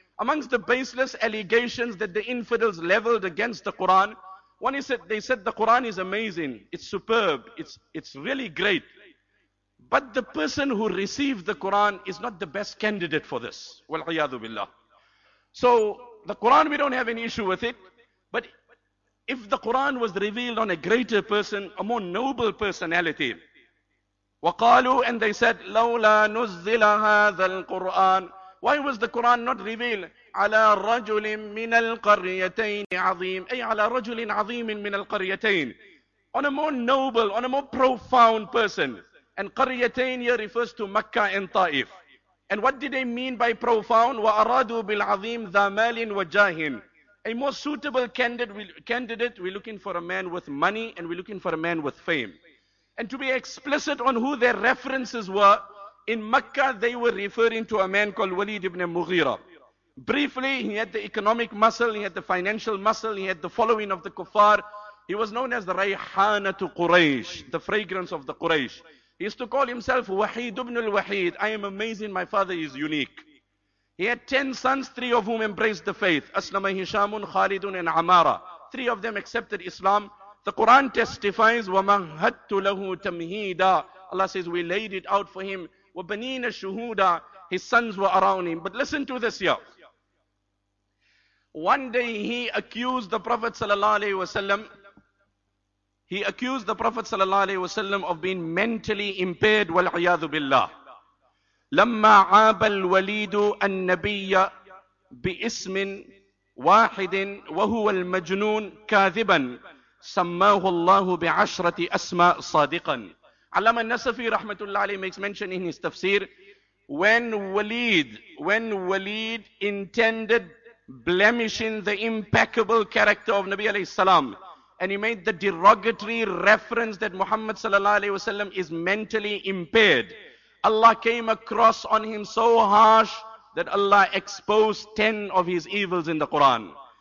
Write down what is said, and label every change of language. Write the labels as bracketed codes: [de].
[en] Amongst the baseless allegations that the infidels leveled against the Quran, one is that they said the Quran is amazing, it's superb, it's really great. But the person who received the Quran is not the best candidate for this. [ar] وَالْعِيَاذُ بِاللَّهِ. [en] So the Quran, we don't have an issue with it, but if the Quran was revealed on a greater person, a more noble personality, [ar] وقالوا, [en] and they said, [ar] لولا نزل هذا القرآن. [en] Why was the Quran not revealed? [ar] على رجل من القريتين عظيم, أي على رجل عظيم من القريتين. [en] On a more noble, on a more profound person. And قريتين here refers to مكة and طائف. And what did they mean by profound? [ar] وأرادوا بالعظيم ذا مال وجاه. [en] A more suitable candidate, we're looking for a man with money and we're looking for a man with fame. And to be explicit on who their references were, in Mecca they were referring to a man called Walid ibn Mughira. Briefly, he had the economic muscle, he had the financial muscle, he had the following of the kuffar. He was known as the Rayhanatu Quraysh, the fragrance of the Quraysh. He used to call himself Wahid ibn al-Wahid. I am amazing, my father is unique. He had 10 sons, 3 of whom embraced the faith. Aslama, Hishamun, Khalidun, and Amara. 3 of them accepted Islam. The Quran testifies, [ar] وَمَهَّدْتُ لَهُ تَمْهِيدًا. [en] Allah says, we laid it out for him. [ar] وَبَنِينَ شُهُودًا. [en] His sons were around him. But listen to this here. One day he accused the Prophet sallallahu alayhi wa sallam. He accused the Prophet sallallahu alayhi wa sallam of being mentally impaired. [ar] وَالْعِيَاذُ بِاللَّهِ. لما عاب الوليد النبي باسم واحد وهو المجنون كاذبا سماه الله بعشرة أسماء صادقا. [en] علامة النسفي رحمة الله عليه makes mention in his tafsir, when Walid intended blemishing the impeccable character of Nabi عليه السلام, and he made the derogatory reference that Muhammad صلى الله عليه وسلم is mentally impaired, Allah came across on him so harsh that Allah exposed 10 of his evils in the Quran.